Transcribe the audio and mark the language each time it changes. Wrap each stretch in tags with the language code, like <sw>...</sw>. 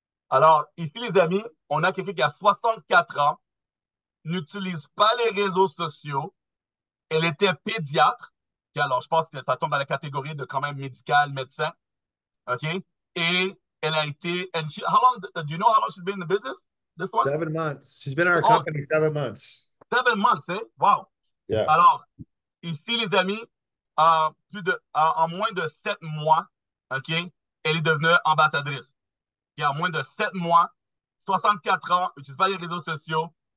<fr>Alors, ici, les amis, on a quelqu'un qui a 64 ans, n'utilise pas les réseaux sociaux. Elle était pédiatre. Okay, alors, je pense que ça tombe dans la catégorie de quand même médical, médecin. OK? Et elle a été...</fr> <en>And she, how long she's been in the business? This one? 7 months. She's been in our company 7 months. 7 months, eh? Wow. Yeah.</en> <fr>Alors, ici, les amis, en moins de 7 mois, OK, elle est devenue ambassadrice. Okay, en moins de 7 mois, 64 ans, n'utilise pas les réseaux sociaux.</fr>